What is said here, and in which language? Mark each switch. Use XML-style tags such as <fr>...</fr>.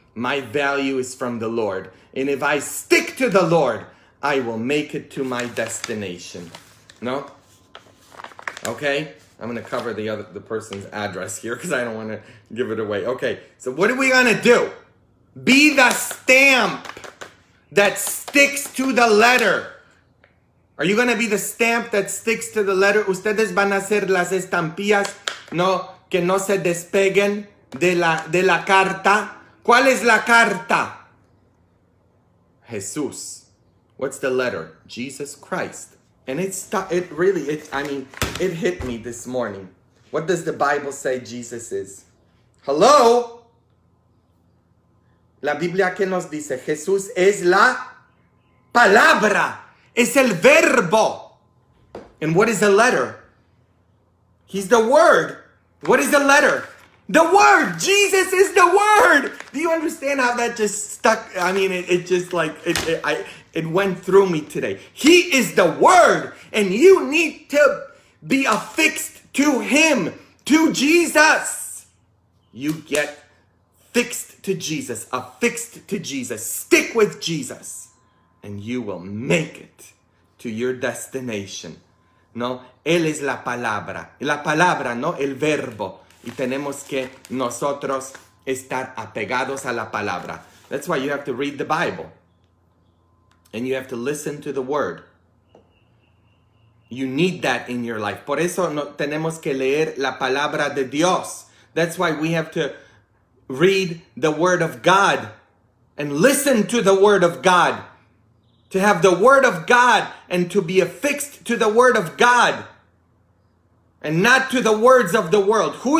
<en>My value is from the Lord, and if I stick to the Lord, I will make it to my destination. No? Okay? I'm going to cover the person's address here because I don't want to give it away. Okay, so what are we going to do? Be the stamp that sticks to the letter. Are you going to be the stamp that sticks to the letter?</en> <es>Ustedes van a ser las estampillas, no, que no se despeguen de la carta. ¿Cuál es la carta? Jesús.</es> <en>What's the letter? Jesus Christ. And it hit me this morning. What does the Bible say Jesus is? Hello?</en> <es>La Biblia que nos dice, Jesús es la palabra. Es el verbo.</es> <en>And what is the letter? He's the word. What is the letter? The word! Jesus is the word! Do you understand how that just stuck? I mean, it went through me today. He is the word, and you need to be affixed to him, to Jesus. You get fixed to Jesus, affixed to Jesus. Stick with Jesus, and you will make it to your destination.</en> <es>No, él es la palabra, no el verbo. Y tenemos que nosotros estar apegados a la palabra.</es> <en>That's why you have to read the Bible. And you have to listen to the word. You need that in your life.</en> <es>Por eso no, tenemos que leer la palabra de Dios.</es> <en>That's why we have to read the word of God. And listen to the word of God. To have the word of God and to be affixed to the word of God. And not to the words of the world.</en>